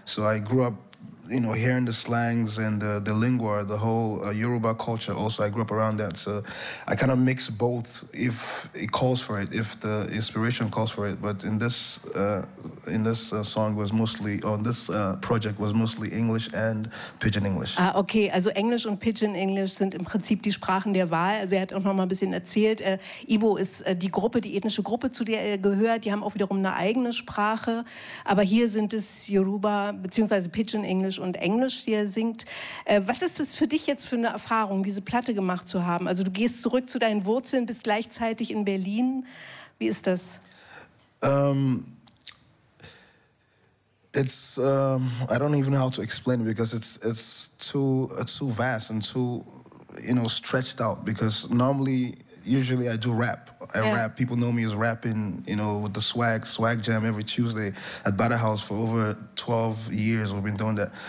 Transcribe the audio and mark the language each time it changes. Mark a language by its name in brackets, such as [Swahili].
[English] So I grew up, you know, hearing the slangs and the lingua, the whole Yoruba culture. Also, I grew up around that, so I kind of mix both if it calls for it, if the inspiration calls for it. But this project was mostly English and Pidgin English. Ah, okay. [German] Also Englisch und Pidgin English sind im Prinzip die Sprachen der Wahl. Also er hat auch noch mal ein bisschen erzählt. Ibo ist die Gruppe, die ethnische Gruppe, zu der er gehört. Die haben auch wiederum eine eigene Sprache. Aber hier sind es Yoruba beziehungsweise Pidgin English und Englisch, die er singt. Was ist das für dich jetzt für eine Erfahrung, diese Platte gemacht zu haben? Also du gehst zurück zu deinen Wurzeln, bist gleichzeitig in Berlin. Wie ist das? [English] I don't even know how to explain it because it's too vast and too, you know, stretched out because normally, usually I do rap. Rap. People know me as rapping, you know, with the swag jam every Tuesday at Butter House for over 12 years. We've been doing that.